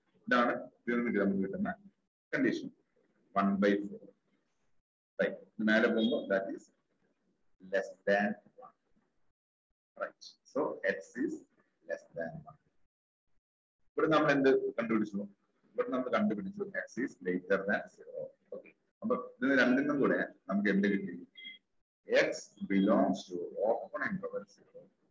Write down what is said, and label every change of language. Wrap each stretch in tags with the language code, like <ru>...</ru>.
<en>Then we will get a condition 1 by 4. Right. The matter of that is less than 1. Right. So x is less than 1.</en> <ml>ഇവിടെ നമ്മൾ എന്ത് കണ്ടുപിടിച്ചു? ഇവിടെ നമ്മൾ കണ്ടുപിടിച്ചു</ml> <en>x is greater than 0.</en> <ml>Okay അപ്പൊ ഇതിന് രണ്ടിനും കൂടെ നമുക്ക് എന്ത് കിട്ടി?</ml> <en>x belongs to open interval 0.</en>